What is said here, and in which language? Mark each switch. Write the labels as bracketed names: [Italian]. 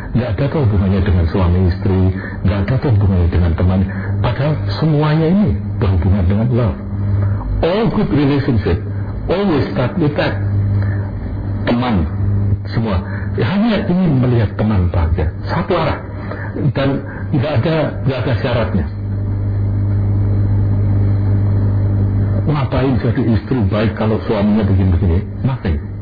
[Indonesian] Tidak ada tuh hubungannya dengan suami istri, tidak ada tuh hubungannya dengan teman. Padahal semuanya ini berhubungan dengan love. [English] All good relationship always start with that. [Indonesian] Teman semua hanya ingin melihat teman bahagia, satu arah, dan tidak ada syaratnya. Ngapain jadi istri baik kalau suaminya begini-begini? Nothing.